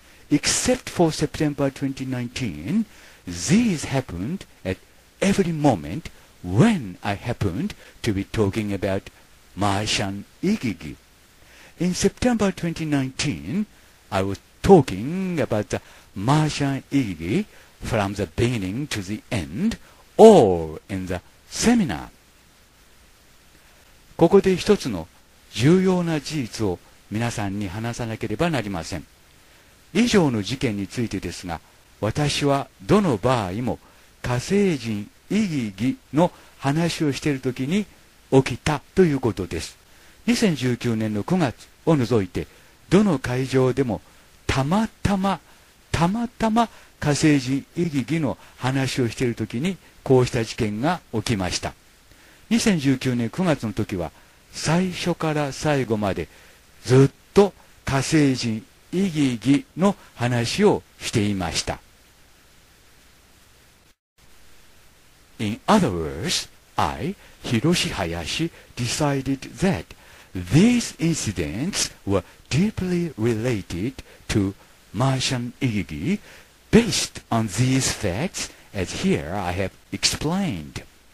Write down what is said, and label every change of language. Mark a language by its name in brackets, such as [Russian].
[English] Except for September 2019, these happened at every momentWhen I happened to be talking about Martian Ikiki. In September 2019, I was talking about the Martian Ikiki from the beginning to the end, all in the seminar. [Japanese] ここで一つの重要な事実を皆さんに話さなければなりません。以上の事件についてですが、私はどの場合も火星人イギギの話をしているときに起きたということです。 2019年の9月を除いてどの会場でもたまたま火星人イギギの話をしているときにこうした事件が起きました。 2019年9月のときは最初から最後までずっと火星人イギギの話をしていました。 [English] In other words, I, Hiroshi Hayashi, decided that these incidents were deeply related to Martian Ikiki based on these facts as here I have explained.